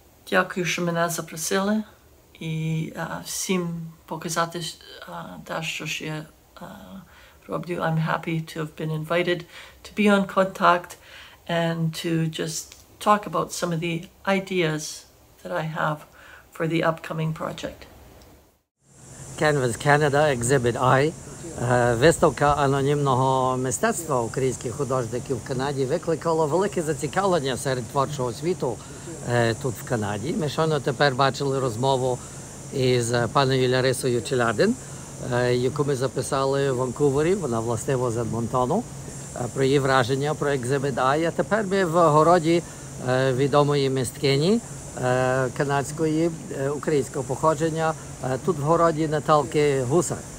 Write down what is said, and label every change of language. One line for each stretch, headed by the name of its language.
Ukrainian: Дякую, що мене запросили, і всім показати те, що я роблю.
English: I'm happy to have been invited to be on contact and to just talk about some of the ideas that I have for the upcoming project. Canvas Canada Exhibit I.
Ukrainian: Виставка анонімного мистецтва українських художників в Канаді викликала велике зацікавлення серед творчого світу тут в Канаді. Ми щойно тепер бачили розмову із панею Ларисою Челядин, яку ми записали в Ванкувері, вона властиво з Едмонтону, про її враження, про Exhibit I. А тепер ми в городі відомої мисткині канадської українського походження, тут в городі Наталки Гусар.